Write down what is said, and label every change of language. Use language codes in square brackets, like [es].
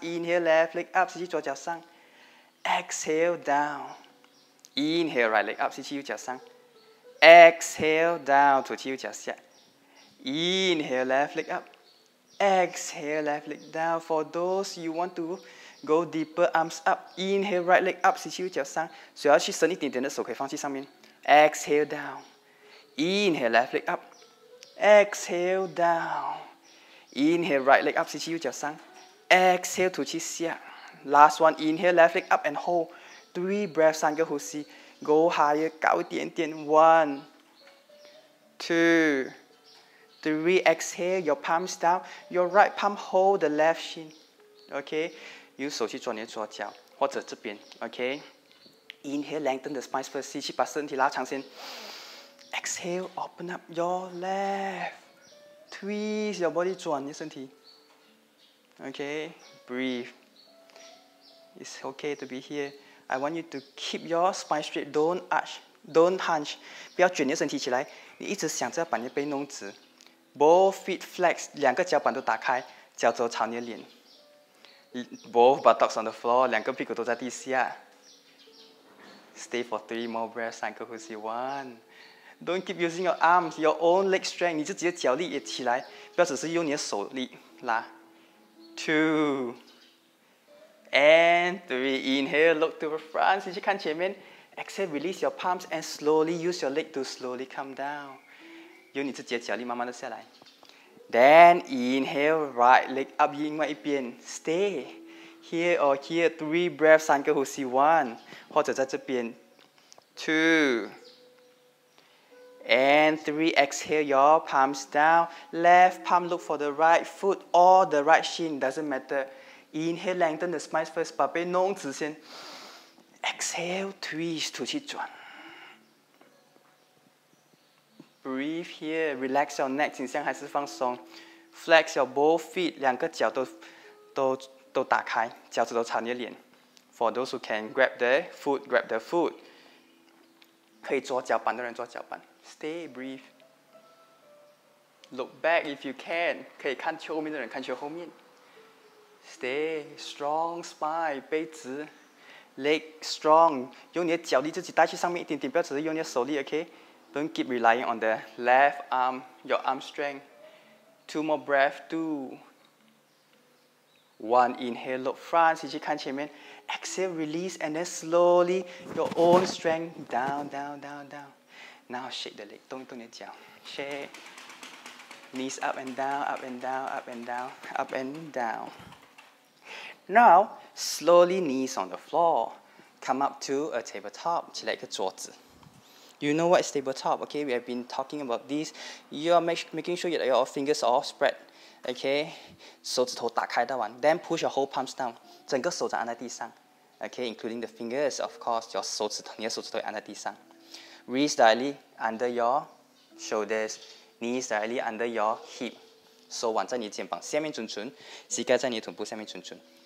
[en] Inhale, left leg up. [zh] 吸气左脚上. [en] Exhale down. Inhale, right leg up. [zh] 吸气右脚上. [en] Exhale down. [zh] 吐气右脚下. [en] Inhale, left leg up. Exhale, left leg down. For those you want to go deeper, arms up. Inhale, right leg up. [zh] 吸气右脚上. 所以要去伸一点点的手可以放弃上面. [en] Exhale down. Inhale, left leg up. Exhale down. Inhale, right leg up. [zh] 吸气右脚上. [en] Exhale, [zh] 吐气下. [en] Last one. Inhale, left leg up and hold. Three breaths, [zh] 三个呼吸. [en] Go higher, [zh] 高一点点. [en] One, two, three. Exhale, your palms down. Your right palm hold the left shin. Okay. [zh] 用手去抓你的左脚, 或者这边. [en] Okay. Inhale, lengthen the spine first. [zh] 吸气把身体拉长先. [en] Exhale, open up your left. Twist your body, [zh] 转你身体. [en] Okay, breathe. It's okay to be here. I want you to keep your spine straight. Don't arch, don't hunch. [zh] 不要卷你的身体起来. 你一直想着要把你的背弄直. [en] Both feet flex, [zh] 两个脚板都打开.脚肘朝你的脸. [en] Both buttocks on the floor, [zh] 两个屁股都在地下. [en] Stay for three more breaths, [zh] 三个呼吸. [en] One. Don't keep using your arms, your own leg strength. [zh] 你自己的脚力也起来, 不要只是用你的手力拉. [en] Two. And three. Inhale, look to the front. [zh] 继续看前面. [en] Exhale, release your palms and slowly use your leg to slowly come down. [zh] 用你自己的脚力慢慢的下来. [en] Then inhale, right leg up, [zh] 另外一边. [en] Stay. Here or here. Three breaths, [zh] 三个呼吸. [en] One. [zh] 或者在这边. [en] Two. And three, exhale, your palms down. Left palm, look for the right foot or the right shin, doesn't matter. Inhale, lengthen the spine first, [zh] 把背弄直先. [en] Exhale, twist, [zh] 吐气转. [en] Breathe here, relax your neck, [zh] 颈项还是放松. [en] Flex your both feet, [zh] 两个脚都打开, 脚趾都朝你的脸. [en] For those who can grab the foot, grab the foot. [zh] 可以抓脚板的人抓脚板. [en] Stay, breathe. Look back if you can. [zh] 可以看球后面的人看球后面. [en] Stay, strong spine, [zh] 背直. [en] Leg strong. [zh] 用你的脚力自己带去上面一点点, 不要只是用你的手力, okay? [en] Don't keep relying on the left arm, your arm strength. Two more breaths, two. One, inhale, look front, [zh] 继续看前面. [en] Exhale, release, and then slowly, your own strength, down, down, down, down. Now shake the leg, [zh] 动一动你的脚. [en] Shake. Knees up and down, up and down, up and down, up and down. Now, slowly knees on the floor. Come up to a tabletop, [zh] 起来一个桌子. [en] You know what is tabletop, okay? We have been talking about this. You are making sure your fingers are all spread, okay? [zh] 手指头打开到完. [en] Then push your whole palms down. [zh] 整个手掌按在地上, okay? [en] Including the fingers, of course, [zh] 你的手指头按在地上. [en] Wrist directly under your shoulders, knees directly under your hip. [zh] 手腕在你的肩膀下面准准, 膝盖在你的臀部下面准准.